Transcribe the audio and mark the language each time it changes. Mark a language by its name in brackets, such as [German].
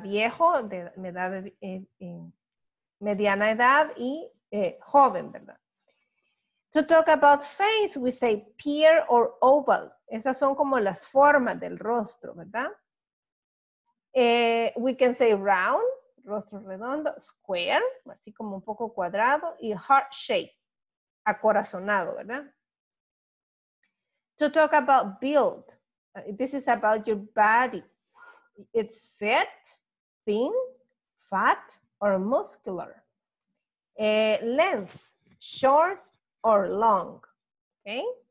[Spanish] Viejo, de edad mediana edad y joven, ¿verdad? [English] To talk about face, we say pear or oval. [Spanish] Esas son como las formas del rostro, ¿verdad? [English] We can say round, [Spanish] rostro redondo, square, así como un poco cuadrado, y [English] heart shape, [Spanish] acorazonado, ¿verdad? [English] To talk about build, this is about your body. It's fit, thin, fat, or muscular. Length, short, or long, okay?